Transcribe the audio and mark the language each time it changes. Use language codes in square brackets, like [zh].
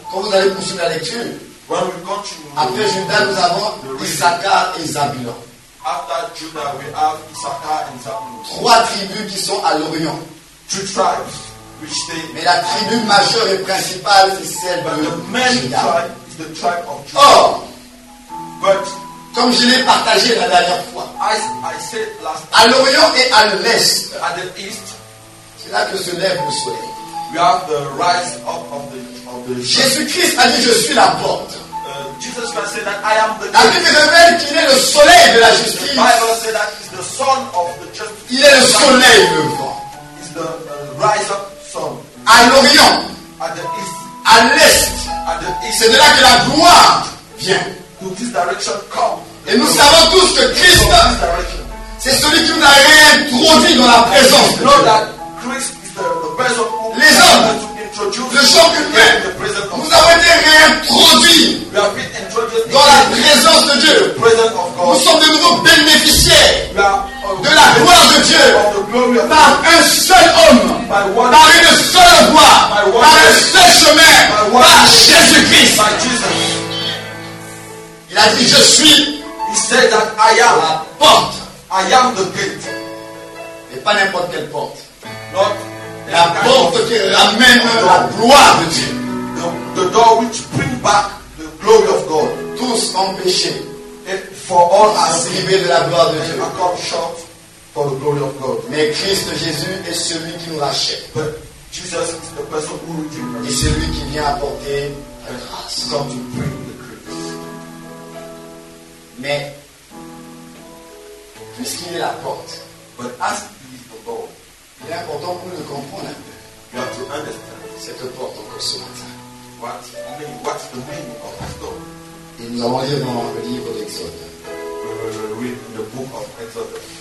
[fr] Quand vous allez poursuivre la lecture, [en] when we continue, [fr] après Judas nous avons Issachar et Zabulon. [en] After Judah we have Issachar and Zabulon. [fr] Trois tribus qui sont à l'Orient. [en] Two tribes which they. [fr] Mais la tribu majeure et principale c'est celle de [en] Judah. The main tribe is the tribe of Judah. [fr] Or, [en] but [fr] comme je l'ai partagé la dernière fois, [en] I said last [fr] time, à l'Orient et à l'Est, [en] at the east, [fr] c'est là que se lève le soleil. [en] We have the rise up of the [fr] Jésus-Christ a dit je suis la porte. [en] Jesus Christ said that I am the. [fr] La Bible révèle qu'il est le soleil de la justice. [en] The Bible said that he's the son of the justice. [fr] Il est le soleil levant. [en] He's the rise up sun. [fr] À l'Orient, [en] at the east, [fr] à l'Est, [en] at the east. [fr] C'est de là que la gloire vient. [en] To this direction come. [fr] Et nous savons tous que Christ, c'est celui qui nous a réintroduit dans la présence. [en] You know that Christ is the person. [fr] Les hommes, le champ humain, nous avons été réintroduits dans la présence de Dieu. Nous sommes de nouveau bénéficiaires de la gloire de Dieu par un seul homme, par une seule voie, par un seul chemin, par Jésus-Christ. Il a dit, je suis la porte. [en] I am the gate. [fr] Et pas n'importe quelle porte. [en] Not [fr] la porte qui ramène la gloire de Dieu. [en] The door which brings back the glory of God. [fr] Tous ont péché. [en] Et for all [fr] are privés de la gloire de Dieu. [en] Come short for the glory of God. [fr] Mais Christ Jésus est celui qui nous rachète. [en] But Jesus is the person who redeems us. [fr] Et celui qui vient apporter la grâce. [en] Come to bring the grace. [fr] Mais puisqu'il est la porte. [en] But as he is the door. [fr] Il est important pour nous de comprendre [en] you have to understand [fr] cette porte encore ce matin. [en] What, I mean, what's the meaning of this door? [fr] Et nous allons lire dans le livre d'Exode. [en] We will read in the book of Exode.